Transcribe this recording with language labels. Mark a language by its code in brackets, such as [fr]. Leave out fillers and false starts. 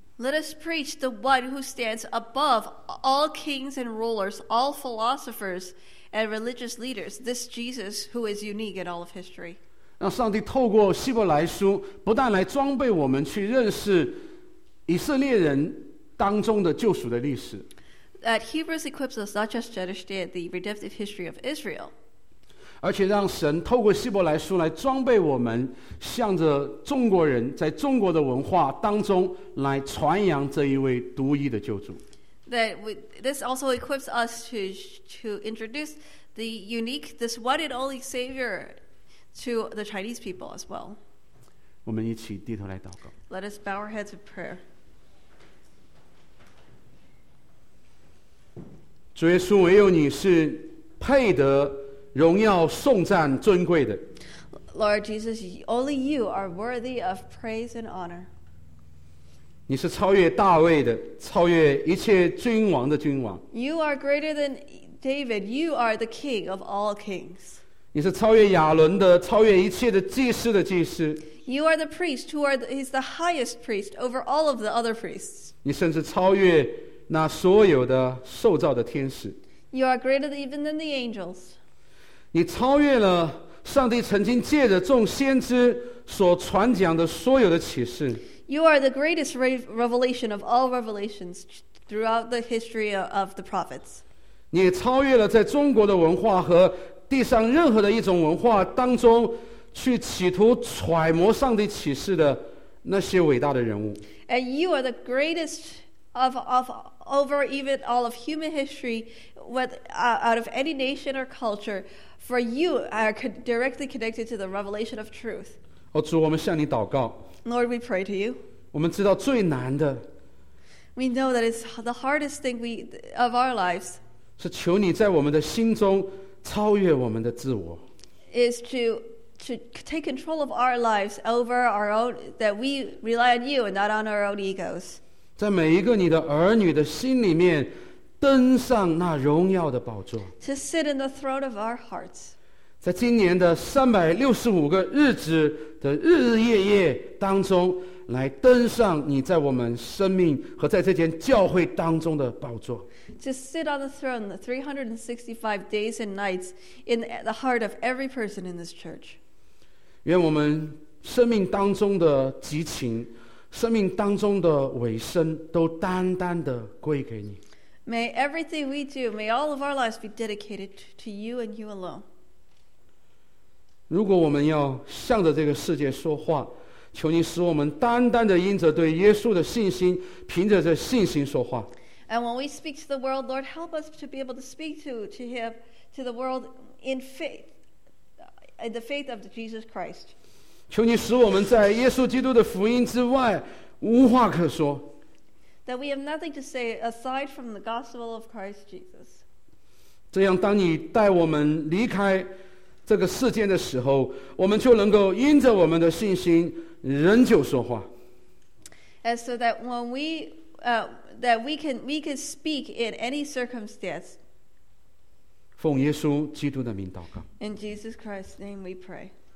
[en] Let us preach the one who stands above all kings and rulers, all philosophers and religious leaders, this Jesus who is unique in all of history. [zh] 让上帝透过希伯来书不但来装备我们去认识以色列人当中的救赎的历史。 [en] That Hebrews equips us not just to understand the redemptive history of Israel. [zh] 而且让神透过希伯来书来装备我们向着中国人在中国的文化当中来传扬这一位独一的救主。 [en] That this also equips us to introduce the unique, this one and only Savior to the Chinese people as well. [zh] 我们一起低头来祷告。 [en] Let us bow our heads in prayer. [zh] 主耶稣，唯有你是配得荣耀、颂赞、尊贵的。 [en] Lord Jesus, only you are worthy of praise and honor. [zh] 你是超越大卫的，超越一切君王的君王。 [en] You are greater than David. You are the king of all kings. [zh] 你是超越亚伦的，超越一切的祭司的祭司。 [en] You are the priest who is the highest priest over all of the other priests. [zh] 你甚至超越那所有的受造的天使。 [en] You are greater even than the angels. [zh] 你超越了上帝曾经借着众先知所传讲的所有的启示。 [en] You are the greatest revelation of all revelations throughout the history of the prophets. [zh] 你超越了在中国的文化和地上任何的一种文化当中去企图揣摩上帝启示的那些伟大的人物。 [en] And you are the greatest of over even all of human history out of any nation or culture, for you are directly connected to the revelation of truth. [zh] 哦，主，我们向你祷告。 [en] Lord, we pray to you. [zh] 我们知道最难的。 [en] We know that it's the hardest thing of our lives. [zh] 是求你在我们的心中超越我们的自我。 [en] is to take control of our lives over our own, that we rely on you and not on our own egos. [zh] 在每一个你的儿女的心里面登上那荣耀的宝座。 [en] To sit in the throne of our hearts. [zh] 在今年的365个日子的日日夜夜当中来登上你在我们生命和在这间教会当中的宝座。 [en] To sit on the throne, the 365 days and nights in the heart of every person in this church. [zh] 愿我们生命当中的激情，生命当中的尾声，都单单的归给你。 [en] May everything we do, may all of our lives be dedicated to you and you alone. [zh] 如果我们要向着这个世界说话，求你使我们单单的因着对耶稣的信心，凭着这信心说话。 [en] And when we speak to the world, Lord, help us to be able to speak to him, to the world in faith, in the faith of Jesus Christ. [zh] 求你使我们在耶稣基督的福音之外无话可说。 [en] That we have nothing to say aside from the gospel of Christ Jesus. [zh] 这样当你带我们离开这个世间的时候，我们就能够因着我们的信心仍旧说话。 [en] And so that when we that we can speak in any circumstance. [zh] 奉耶稣基督的名祷告。 [en] In Jesus Christ's name we pray.